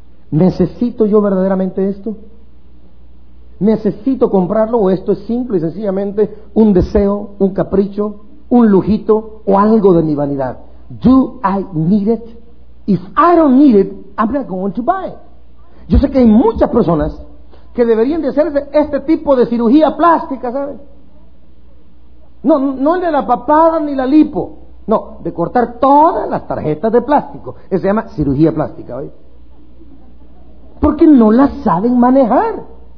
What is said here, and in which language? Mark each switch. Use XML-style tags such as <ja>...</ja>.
<es>¿Necesito yo verdaderamente esto? ¿Necesito comprarlo o esto es simple y sencillamente un deseo, un capricho, un lujito o algo de mi vanidad?</es> <en>¿Do I need it? If I don't need it, I'm not going to buy it.</en> <es>Yo sé que hay muchas personas que deberían de hacerse este tipo de cirugía plástica, ¿sabes? No, no el de la papada ni la lipo. No, de cortar todas las tarjetas de plástico. Eso se llama cirugía plástica, ¿oye? Porque no la saben manejar.</es>